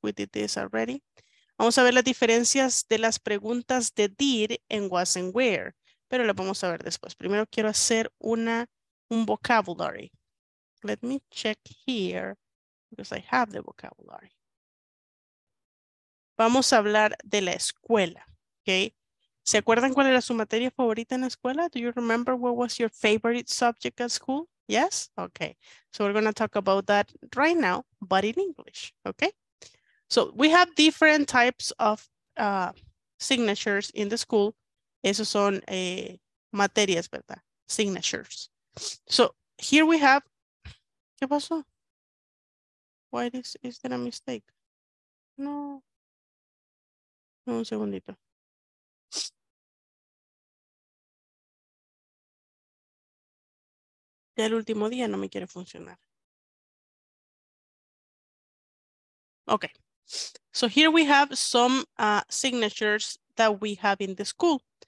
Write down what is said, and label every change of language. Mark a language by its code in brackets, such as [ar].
[en] We did this already. [es] Vamos a ver las diferencias de las preguntas de did en was and where, pero las vamos a ver después. Primero quiero hacer un vocabulary. [en] Let me check here because I have the vocabulary. [es] Vamos a hablar de la escuela, okay? ¿Se acuerdan cuál era su materia favorita en la escuela? [en] Do you remember what was your favorite subject at school? Yes? Okay. So we're going to talk about that right now, but in English, okay? So we have different types of signatures in the school. [es] Esos son materias, ¿verdad? Signatures. [en] So here we have, [es] ¿qué pasó? [en] Why is there a mistake? No. [es] Un segundito. Ya el último día no me quiere funcionar. Okay. [en] So here we have some signatures that we have in the school.